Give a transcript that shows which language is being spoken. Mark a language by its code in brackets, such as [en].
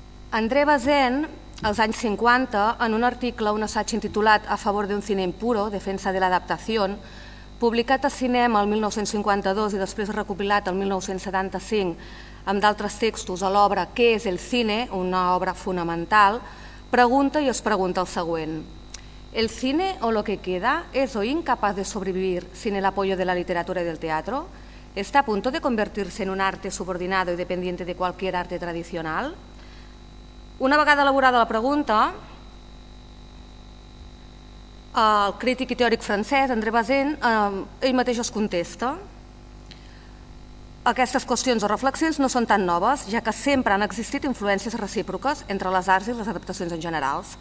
[ca] André Bazin, als anys 50, en un article, un assaig intitulat A favor de un cine impuro, defensa de l'adaptació, publicat a cinema el 1952 i després recopilat el 1975 amb d'altres textos a l'obra Què és el cine, una obra fonamental, pregunta i es pregunta el següent. [es] ¿El cine o lo que queda es hoy incapaz de sobrevivir sin el apoyo de la literatura y del teatro? ¿Está a punto de convertirse en un arte subordinado y dependiente de cualquier arte tradicional? [ca] Una vegada elaborada la pregunta, el crític i teòric francès, André Bazin, ell mateix es contesta. Aquestes qüestions o reflexions no són tan noves, ja que sempre han existit influències recíproques entre les arts i les adaptacions en general.